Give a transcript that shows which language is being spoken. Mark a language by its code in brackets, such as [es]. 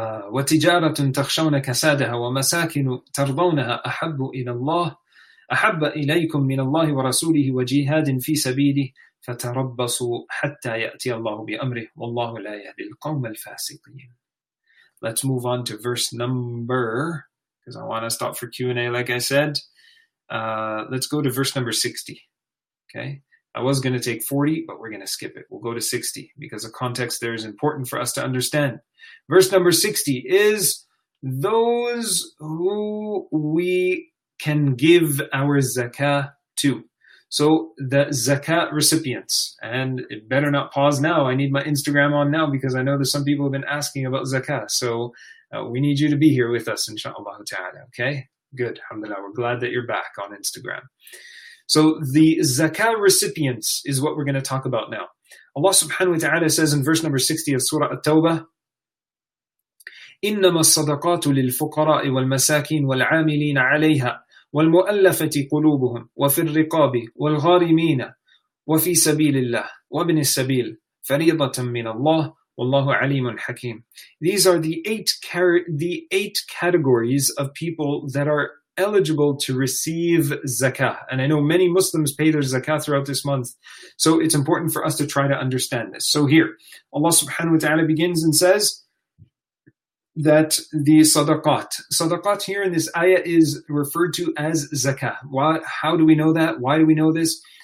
[ar] وتجارة تخشون كسادها ومساكن ترضونها أحب إلى الله أحب إليكم من الله ورسوله وجهاد في سبيله فَتَرَبَّصُوا حَتَّى يَأْتِيَ اللَّهُ بِأَمْرِهِ وَاللَّهُ لَا يَهْدِي الْقَوْمَ الْفَاسِقِينَ. [en] Let's move on to verse number, because I want to stop for Q&A, like I said. Let's go to verse number 60. Okay, I was going to take 40, but we're going to skip it. We'll go to 60 because the context there is important for us to understand. Verse number 60 is those who we can give our zakah to. So the zakah recipients, and it better not pause now. I need my Instagram on now because I know there's some people who have been asking about zakah. So we need you to be here with us, inshallah ta'ala. Okay, good. Alhamdulillah, we're glad that you're back on Instagram. So the zakah recipients is what we're going to talk about now. Allah subhanahu wa ta'ala says in verse number 60 of Surah At-Tawbah, [ar] إِنَّمَا الصَّدَقَاتُ لِلْفُقَرَاءِ وَالْمَسَاكِينَ وَالْعَامِلِينَ عَلَيْهَا وَالْمُؤَلَّفَةِ قُلُوبُهُمْ وَفِي الرِّقَابِ وَالْغَارِمِينَ وَفِي سَبِيلِ اللَّهِ وَابْنِ السَّبِيلِ فَرِيضَةً مِّنَ اللَّهِ وَاللَّهُ عَلِيمٌ حَكِيمٌ. [en] These are the eight categories of people that are eligible to receive zakah. And I know many Muslims pay their zakah throughout this month, so it's important for us to try to understand this. So here, Allah subhanahu wa ta'ala begins and says that the sadaqat here in this ayah is referred to as zakah. How do we know that? Why do we know this?